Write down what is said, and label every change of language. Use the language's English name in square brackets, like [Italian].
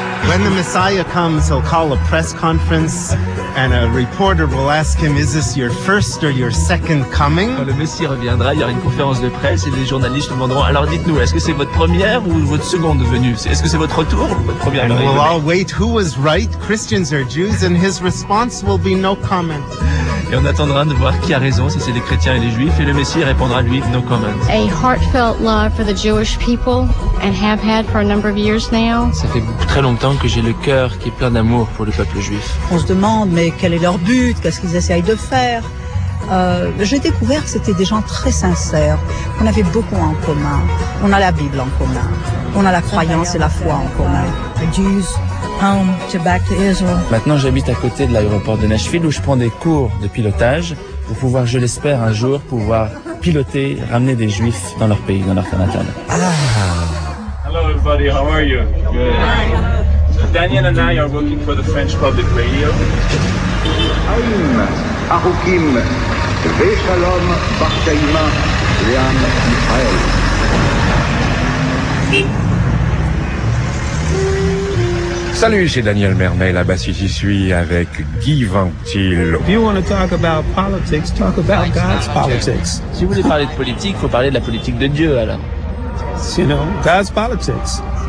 [English] When the Messiah comes, he'll call a press conference and a reporter will ask him, is this your first or your second coming? [French] Quand le Messie reviendra, il y aura une conférence de presse et les journalistes demanderont, alors dites-nous, est-ce que c'est votre première ou votre seconde venue? Est-ce que c'est votre retour ou votre première venue? [English] And we'll all wait, who was right, Christians or Jews? And his response will be no comment. [French] Et on attendra de voir qui a raison, si c'est les chrétiens et les juifs, et le Messie répondra lui, [English] no comment. A heartfelt love for the Jewish people and have had for a number of years now. [French] Ça fait très longtemps que j'ai le cœur qui est plein d'amour pour le peuple juif. On se demande, mais quel est leur but, qu'est-ce qu'ils essayent de faire? J'ai découvert que c'était des gens très sincères, qu'on avait beaucoup en commun. On a la Bible en commun, on a la croyance et la foi en commun. Maintenant, j'habite à côté de l'aéroport de Nashville où je prends des cours de pilotage pour pouvoir, je l'espère, un jour, pouvoir piloter, ramener des Juifs dans leur pays, dans leur terre natale. [English] Hello everybody, how are you? Good. Daniel and I are working for the French Public Radio. [Hebrew] Haim Arukim Veshalom Barkaima Leam Israel. [French] Salut, c'est Daniel Mermet, là-bas, si j'y suis, avec Guy Ventil. [English] If you want to talk about politics, talk about God's politics. [French] Si vous voulez parler de politique, faut parler de la politique de Dieu, alors. [English] You know, God's politics.